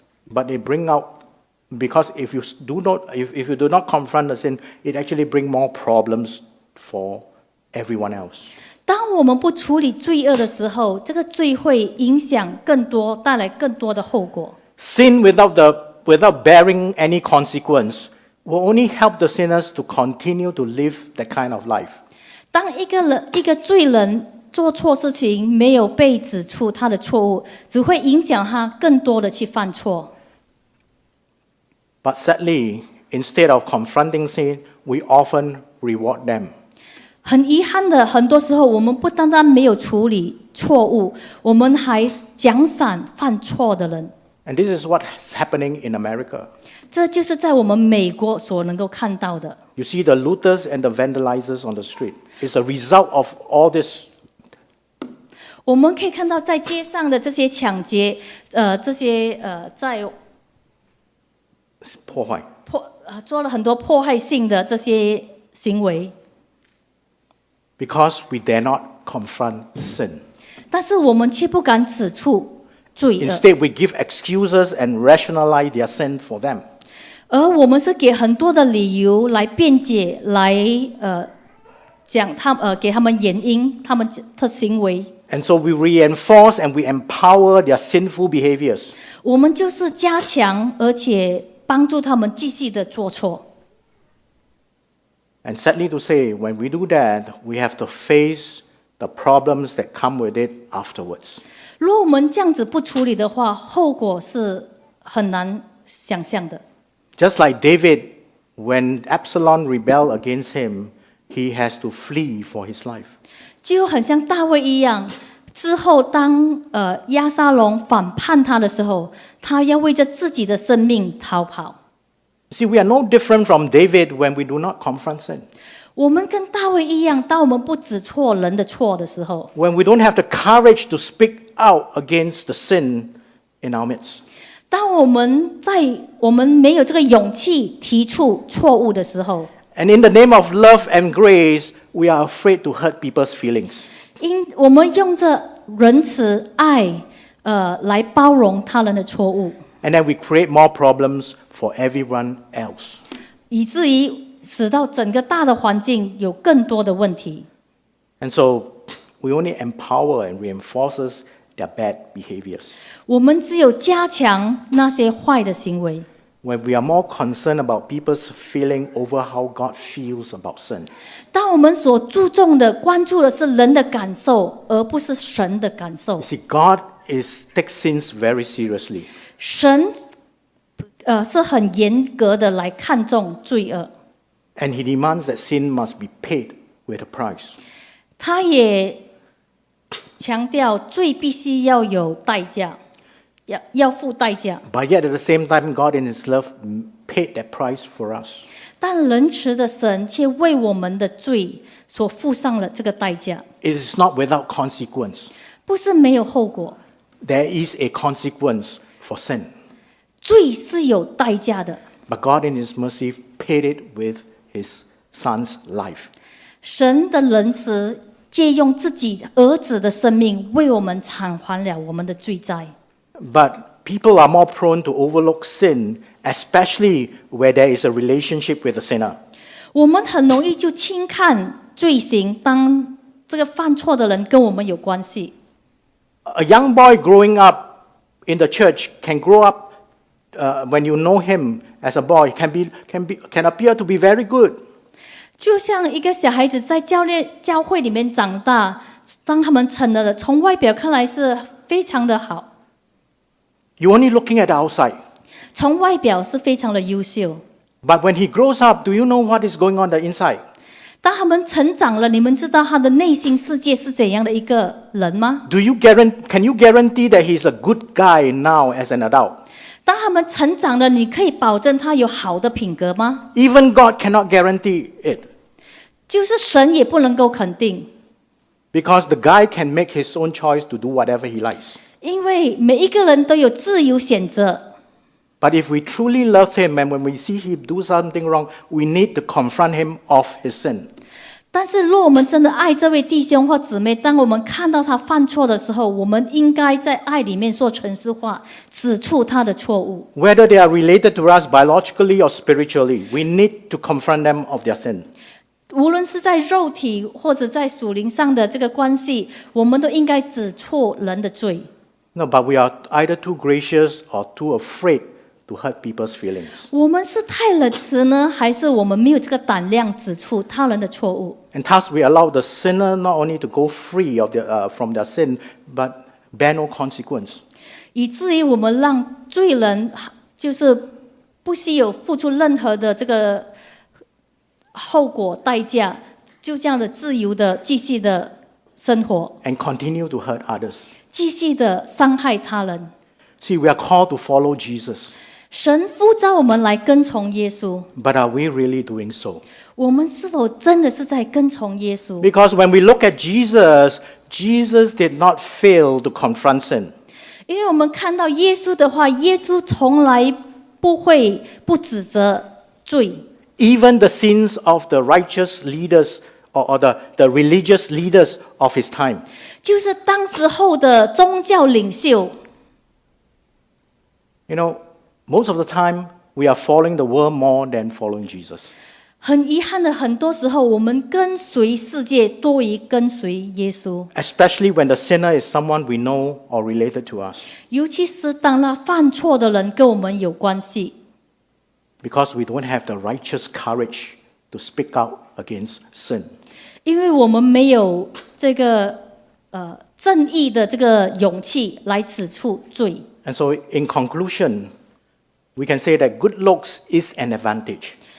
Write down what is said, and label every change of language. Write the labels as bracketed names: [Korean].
[English] But it bring out, because if you do not confront the sin, it actually bring more problems for everyone else. [Chinese] 当我们不处理罪恶的时候，这个罪会影响更多，带来更多的后果。 [English] Sin without bearing any consequence will only help the sinners to continue to live that kind of life. [Chinese] 当一个罪人做错事情，没有被指出他的错误，只会影响他更多的去犯错。 [English] But sadly, instead of confronting sin, we often reward them. [Chinese] 很遗憾的，很多时候我们不单单没有处理错误，我们还奖赏犯错的人。 [English] And this is what's happening in America. [Chinese] 这就是在我们美国所能够看到的。 [English] You see the looters and the vandalizers on the street. It's a result of all this. [Chinese] 我们可以看到在街上的这些抢劫，这些在破坏做了很多破坏性的这些行为。 [English] Because we dare not confront sin. [Chinese] 但是我们却不敢指出罪恶。 [English] Instead, we give excuses and rationalize their sin for them. [Chinese] 而我们是给很多的理由来辩解，来讲他给他们原因，他们的行为。 [English] And so we reinforce and we empower their sinful behaviors. [Chinese] 我们就是加强，而且帮助他们继续的做错。 [English] And sadly to say, when we do that, we have to face the problems that come with it afterwards. [Chinese] 如果我们这样子不处理的话，后果是很难想象的。 [English] Just like David, when Absalom rebelled against him, he has to flee for his life. [Chinese] 就很像大卫一样，之后当亚撒龙反叛他的时候，他要为着自己的生命逃跑。 [English] See, we are no different from David when we do not confront sin. [Chinese] 我们跟大卫一样，当我们不指错人的错的时候， [English] when we don't have the courage to speak out against the sin in our midst. [Chinese] 当我们在我们没有这个勇气提出错误的时候， [English] and in the name of love and grace, we are afraid to hurt people's feelings. [Chinese] 因我们用着仁慈爱来包容他人的错误， [English] and then we create more problems for everyone else. [Chinese] 以至于使到整个大的环境有更多的问题。 [English] And so we only empower and reinforces their bad behaviors. [Chinese] 我们只有加强那些坏的行为。 [English] When we are more concerned about people's feeling over how God feels about sin. [Chinese] 当我们所注重的关注的是人的感受，而不是神的感受。 [English] You see, God is takes sins very seriously. [Chinese] 神是很严格的来看重罪恶。 [English] And he demands that sin must be paid with a price. [Chinese] 他也强调罪必须要有代价， 要付代价。 [English] But yet at the same time, God in his love paid that price for us. [Chinese] 但仁慈的神却为我们的罪所付上了这个代价。 [English] It is not without consequence. [Chinese] 不是没有后果。 [English] There is a consequence for sin. [Chinese] 罪是有代价的。 [English] But God in his mercy paid it with his son's life. [Chinese] 神的仁慈借用自己儿子的生命为我们偿还了我们的罪债。 [English] But people are more prone to overlook sin, especially where there is a relationship with the sinner. [Chinese] 我们很容易就轻看罪行，当这个犯错的人跟我们有关系。 [English] A young boy growing up in the church can grow upwhen you know him as a boy, can appear to be very good. [Chinese] 就像一个小孩子在教会里面长大，当他们成了，从外表看来是非常的好。 [English] You only looking at the outside. [Chinese] 从外表是非常的优秀。 [English] But when he grows up, do you know what is going on the inside? [Chinese] 当他们成长了，你们知道他的内心世界是怎样的一个人吗？ [English] Can you guarantee that he's a good guy now as an adult? [Chinese] 当他们成长了，你可以保证他有好的品格吗？ [English] Even God cannot guarantee it. [Chinese] 就是神也不能够肯定。 [English] Because the guy can make his own choice to do whatever he likes. [Chinese] 因为每一个人都有自由选择。 [English] But if we truly love him and when we see him do something wrong, we need to confront him of his sin. [Chinese] 但是若我们真的爱这位弟兄或姊妹，当我们看到他犯错的时候，我们应该在爱里面说诚实话，指出他的错误。 [English] Whether they are related to us biologically or spiritually, we need to confront them of their sin. [Chinese] 无论是在肉体或者在属灵上的这个关系，我们都应该指错人的罪。 [English] No, but we are either too gracious or too afraid to hurt people's feelings. [Chinese] 我们是太仁慈呢，还是我们没有这个胆量指出他人的错误？ [English] And thus we allow the sinner not only to go free of the, from their sin, but bear no consequence. [Chinese] 以至于我们让罪人就是不惜有付出任何的这个后果代价，就这样的自由的继续的生活。 [English] And continue to hurt others. [Chinese] 继续的伤害他人。 [English] See, we are called to follow Jesus. [Chinese] 神呼召我们来跟从耶稣。 [English] But are we really doing so? [Chinese] 我们是否真的是在跟从耶稣？ [English] Because when we look at Jesus, Jesus did not fail to confront sin. [Chinese] 因为我们看到耶稣的话，耶稣从来不会不指责罪。 [English] Even the sins of the righteous leaders or the religious leaders of his time. [Chinese] 就是当时候的宗教领袖。 [English] You know, most of the time, we are following the world more than following Jesus. [Chinese] 很遗憾的，很多时候我们跟随世界多于跟随耶稣。 [English] Especially when the sinner is someone we know or related to us. [Chinese] 尤其是当那犯错的人跟我们有关系。 [English] Because we don't have the righteous courage to speak out against sin. [Chinese] 因为我们没有这个正义的这个勇气来指出罪。 [English] And so in conclusion, we can say that good looks is an advantage.